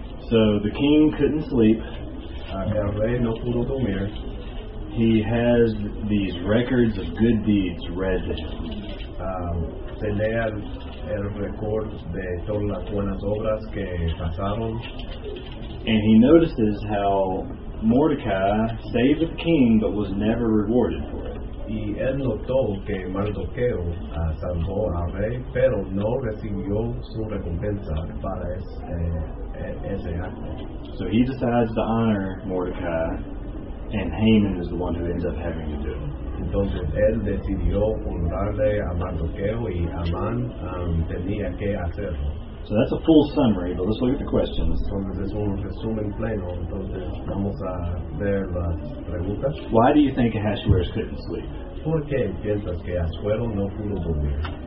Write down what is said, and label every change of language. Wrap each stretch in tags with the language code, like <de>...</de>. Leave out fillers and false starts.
<en>So the king couldn't sleep.</en> <es>El rey no pudo dormir.</es> <en>He has these records of good deeds read to him.</en> <es>Tenía el record de todas las buenas obras que pasaron.</es> <en>And he notices how Mordecai saved the king but was never rewarded for it.</en> <es>Y él notó que Mardoqueo salvó al rey, pero no recibió su recompensa para ese acto.</es> <en>So he decides to honor Mordecai and Haman is the one who ends up having to do it.</en> <es>Entonces él decidió honrarle a Mardoqueo y Amán tenía que hacerlo.</es> <en>So that's a full summary, but let's look at the questions.</en> <es>Entonces es un resumen pleno. Entonces vamos a ver las preguntas.</es> <en>Why do you think Ahasuerus couldn't sleep?</en> <es>¿Por qué piensas que Ahasuerus no pudo dormir?</es>